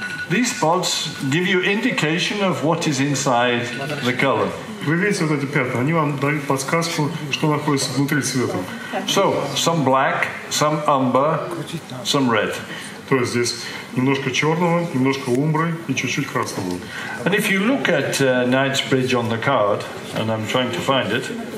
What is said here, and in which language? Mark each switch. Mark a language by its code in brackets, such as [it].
[en] These spots give you indication of what is inside the color. [ru] Вы видите вот эти пятна? Они вам дают подсказку, что находится внутри цвета. [en] So, some black, some umber, some red. [ru] То есть здесь немножко черного, немножко умбры и чуть-чуть красного. [en] And if you look at Knightsbridge on the card, and I'm trying to find it.